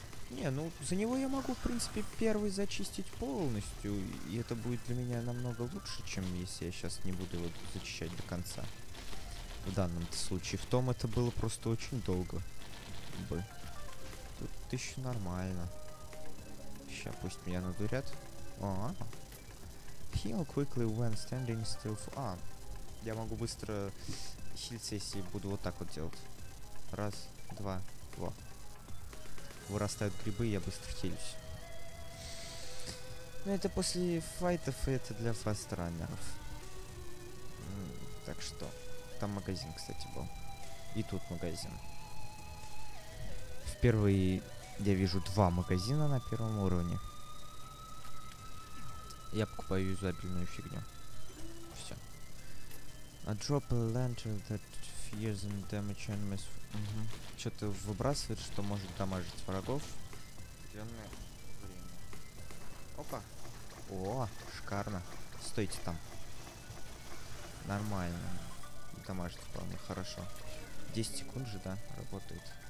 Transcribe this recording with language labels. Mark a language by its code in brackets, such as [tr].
[ru] Не, ну за него я могу, в принципе, первый зачистить полностью, и это будет для меня намного лучше, чем если я сейчас не буду его зачищать до конца. В данном случае. В том это было просто очень долго. Бы. Тут еще нормально. Сейчас пусть меня надурят. А-а-а. [en] Heal quickly when standing still for... [ru] А, я могу быстро хилиться, если буду вот так вот делать. Раз, два, во. Вырастают грибы, я быстро хилюсь. Ну, это после файтов, и это для фастраннеров. Так что. Там магазин, кстати, был. И тут магазин. Впервые я вижу два магазина на первом уровне. Я покупаю юзабельную фигню. Все. [en] I drop a lantern that fears and damage enemies. [ru] Угу. Что-то выбрасывает, что может дамажить врагов. Время. Опа. О, шикарно. Стойте там. Нормально. Дамажит вполне хорошо. 10 секунд же, да, работает.